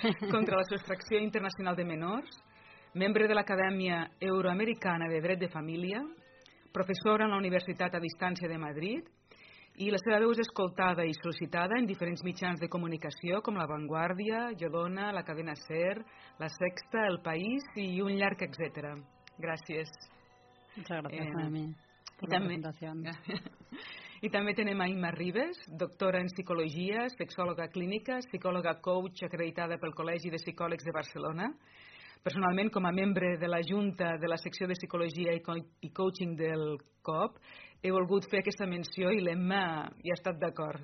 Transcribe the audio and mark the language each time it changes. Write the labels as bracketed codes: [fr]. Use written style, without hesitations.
[ca] Contra la sostracció internacional de menors, membre de l'Acadèmia Euroamericana de Dret de Família, professora en la Universitat a Distància de Madrid, i la seva veu és escoltada i sol·licitada en diferents mitjans de comunicació com La Vanguardia, Yodona, La Cadena SER, La Sexta, El País i un llarg etcètera. Gràcies. [es] Muchas gracias a mí por la presentación. [ca] I també tenim a Imma Ribes, doctora en psicologia, sexòloga clínica, psicòloga coach acreditada pel Col·legi de Psicòlegs de Barcelona. Personalment, com a membre de la Junta de la Secció de Psicologia i Coaching del COP, he volgut fer aquesta menció i l'Emma hi ha estat d'acord.